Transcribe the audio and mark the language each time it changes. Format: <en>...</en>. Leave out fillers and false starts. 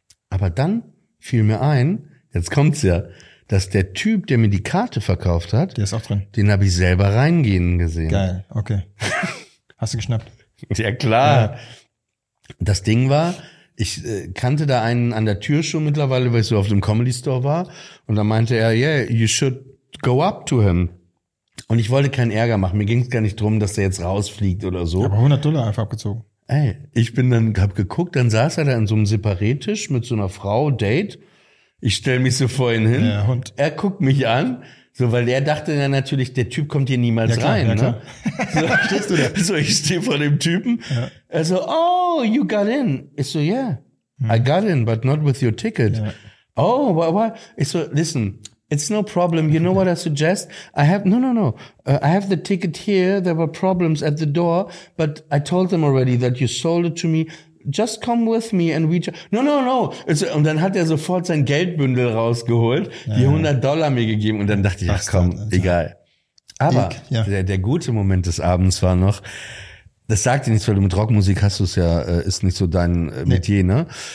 <de>Aber dann fiel mir ein, jetzt kommt's ja, dass der Typ, der mir die Karte verkauft hat, der ist auch drin. Den habe ich selber reingehen gesehen. Geil, okay. Hast du geschnappt? Ja, klar. Ja. Das Ding war, ich kannte da einen an der Tür schon mittlerweile, weil ich so auf dem Comedy Store war. Und dann meinte er,</de> <en>yeah, you should go up to him.</en> <de>Und ich wollte keinen Ärger machen. Mir ging es gar nicht drum, dass der jetzt rausfliegt oder so. Aber 100 Dollar einfach abgezogen. Ey, ich bin dann, hab geguckt, dann saß er da an so einem Separé-Tisch mit so einer Frau, Date. Ich stelle mich so vor ihn hin, ja, und? Er guckt mich an, so, weil er dachte ja natürlich, der Typ kommt hier niemals rein. Ja, ne? So, stehst du da? So, ich stehe vor dem Typen, er so,</de> <en>oh, you got in.</en> <de>Ich so,</de> <en>yeah, I got in, but not with your ticket. Yeah. Oh, why?</en> <de>Ich so,</de> <en>listen, it's no problem, you know what I suggest? I have the ticket here, there were problems at the door, but I told them already that you sold it to me. Just come with me and we... No.</en> <de>Und dann hat er sofort sein Geldbündel rausgeholt, die 100 Dollar mir gegeben und dann dachte ich, ach komm, egal. Aber der gute Moment des Abends war noch, das sagt dir nichts, weil du mit Rockmusik hast du es ja, ist nicht so dein Metier, ne?</de>